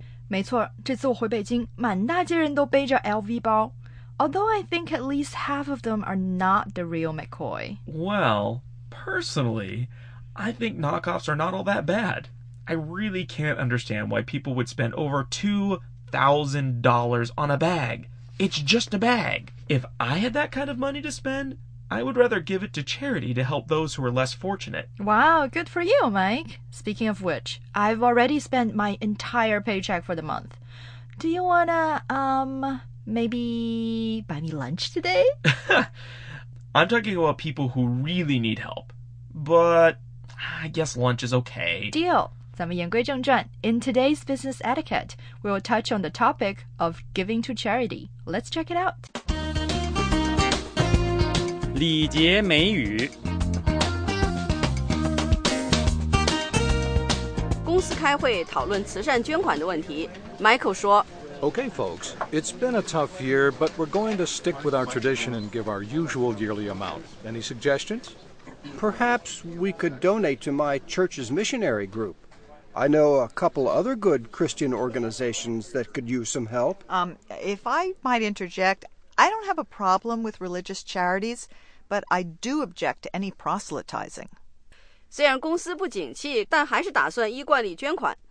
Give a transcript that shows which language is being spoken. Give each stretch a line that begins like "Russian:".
English: Me too.
Chinese: 这次我回北京，满大街人都背着 LV 包。
English: Although I think at least half of them are not the real McCoy. Well, personally,I think knockoffs are not all that bad. I really can't understand why people would spend over $2,000 on a bag. It's just a bag. If I had that kind of money to spend, I would rather give it to charity to help those who are less fortunate. Wow, good for you, Mike. Speaking of which, I've already spent my entire paycheck for the month. Do you wanna, maybe buy me lunch today? I'm talking about people who really need help. But... I guess lunch is okay. Deal.
Chinese: 咱们言归正传。
English: In today's business etiquette, we'll touch on the topic of giving to charity. Let's check it out.
Chinese: 礼节美语。公司开会讨论慈善捐款的问题。 Michael 说
English: Okay, folks. It's been a tough year, but we're going to stick with our tradition and give our usual yearly amount. Any suggestions? Perhaps we could donate to my church's missionary group. I know a couple other good Christian organizations that could use some help. If I might interject, I don't have a problem with religious charities, but I do object to any proselytizing.
Chinese: 虽然公司不景气，但还是打算依惯例捐款。